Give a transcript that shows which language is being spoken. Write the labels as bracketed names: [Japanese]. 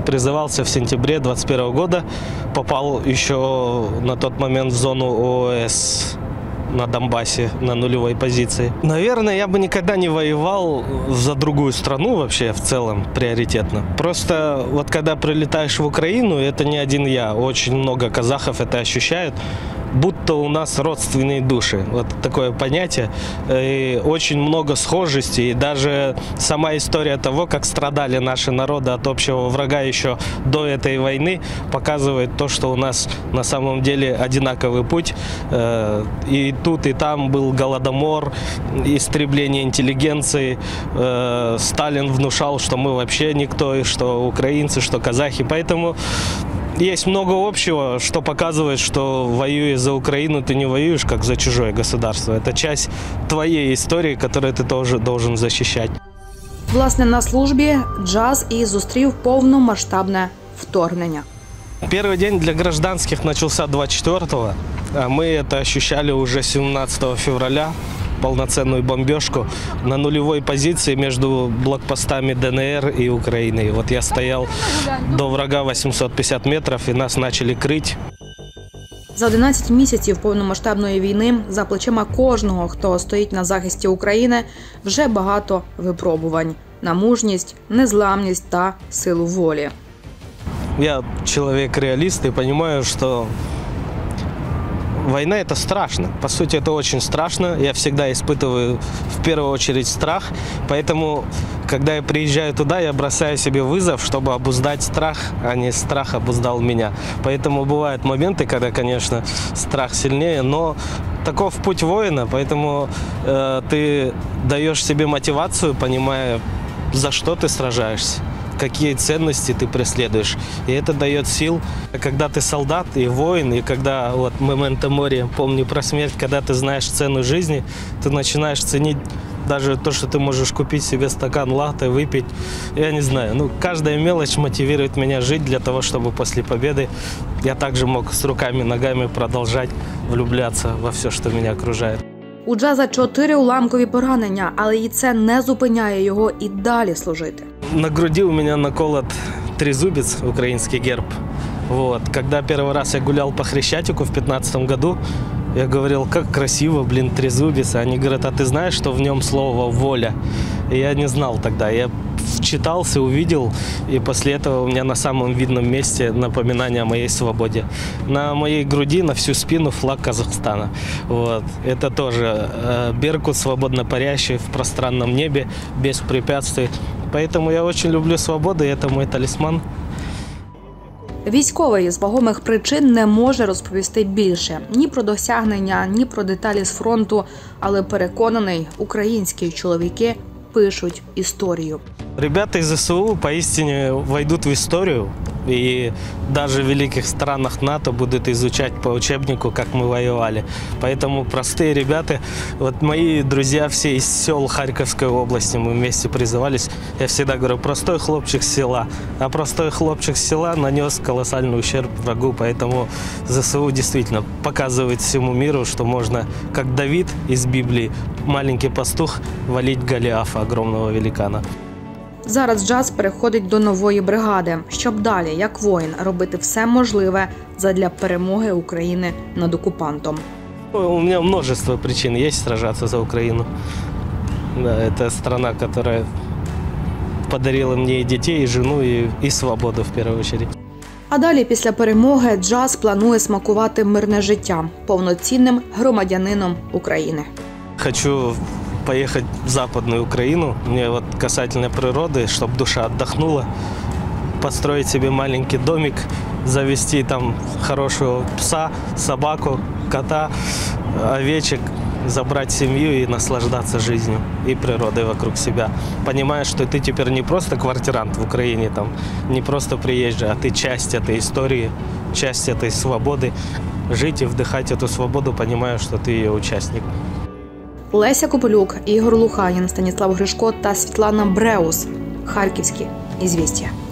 [Ukrainian] І призивався в сентябрі 21-го року. Попав ще на той момент в зону ООС на Донбасі, на нульовій позиції. Наверно, я би ніколи не воював за другу країну, взагалі, в цілому, пріоритетно. Просто, от коли прилітаєш в Україну, це не один я, дуже багато казахів це відчувають. [Russian] Будто у нас родственные души, вот такое понятие, и очень много схожести, и даже сама история того, как страдали наши народы от общего врага еще до этой войны, показывает то, что у нас на самом деле одинаковый путь, и тут, и там был голодомор, истребление интеллигенции, Сталин внушал, что мы вообще никто, и что украинцы, что казахи, поэтому... Есть много общего, что показывает, что воюя за Украину, ты не воюешь, как за чужое государство. Это часть твоей истории, которую ты тоже должен защищать. [Ukrainian] Власне, на службе Джаз и зустрів повномасштабне вторгнення. [Russian] Первый день для гражданских начался 24-го, а мы это ощущали уже 17 февраля. Полноценную бомбежку на нулевой позиции между блокпостами ДНР и Украины. Вот я стоял до врага 850 метров, и нас начали крыть. [Ukrainian] За 11 місяців повномасштабної війни за плечима кожного, хто стоїть на захисті України, вже багато випробувань на мужність, незламність та силу волі. Я чоловік реаліст і розумію, що [Russian] война – это страшно. По сути, это очень страшно. Я всегда испытываю в первую очередь страх. Поэтому, когда я приезжаю туда, я бросаю себе вызов, чтобы обуздать страх, а не страх обуздал меня. Поэтому бывают моменты, когда, конечно, страх сильнее, но таков путь воина. Поэтому ты даешь себе мотивацию, понимая, за что ты сражаешься, какие ценности ты преследуешь. И это дает сил. Когда ты солдат и воин, и когда вот «Мементо море», помни про смерть, когда ты знаешь цену жизни, ты начинаешь ценить даже то, что ты можешь купить себе стакан латте, выпить. Я не знаю, ну, каждая мелочь мотивирует меня жить для того, чтобы после победы я также мог с руками, ногами продолжать влюбляться во все, что меня окружает. [Ukrainian] У Джаза 4 уламкові поранення, але і це не зупиняє його і далі служити. На груді у мене наколот тризубец, український герб. Вот. [Russian] Когда первый раз я гулял по Хрещатику в 15-м году, я говорил, как красиво, блин, тризубец. Они говорят, а ты знаешь, что в нем слово «воля»? И я не знал тогда. Я вчитался, увидел, и после этого у меня на самом видном месте напоминание о моей свободе. На моей груди, на всю спину флаг Казахстана. Вот. Это тоже беркут, свободно парящий в пространном небе, без препятствий. Поэтому я очень люблю свободу, и это мой талисман. [Ukrainian] Військовий з вагомих причин не може розповісти більше. Ні про досягнення, ні про деталі з фронту. Але переконаний, українські чоловіки пишуть історію. [Russian] Ребята из СУ поистине войдут в историю, и даже в великих странах НАТО будут изучать по учебнику, как мы воевали. Поэтому простые ребята, вот мои друзья все из сел Харьковской области, мы вместе призывались. Я всегда говорю, простой хлопчик с села. А простой хлопчик с села нанес колоссальный ущерб врагу. Поэтому ЗСУ действительно показывает всему миру, что можно, как Давид из Библии, маленький пастух, валить Голіафа, огромного великана. [Ukrainian] Зараз Джаз переходить до нової бригади, щоб далі, як воїн, робити все можливе задля перемоги України над окупантом. У мене множество причин є сражатися за Україну. Це країна, яка подарила мені і дітей, і жену, і свободу, в першу чергу. А далі, після перемоги, Джаз планує смакувати мирне життя повноцінним громадянином України. [Russian] Хочу поехать в Западную Украину, мне вот касательно природы, чтобы душа отдохнула, построить себе маленький домик, завести там хорошего пса, собаку, кота, овечек, забрать семью и наслаждаться жизнью и природой вокруг себя. Понимая, что ты теперь не просто квартирант в Украине, там, не просто приезжий, а ты часть этой истории, часть этой свободы. Жить и вдыхать эту свободу, понимая, что ты ее участник. [Ukrainian] Леся Копелюк, Ігор Луханін, Станіслав Гришко та Світлана Бреус. Харківські «Ізвістія».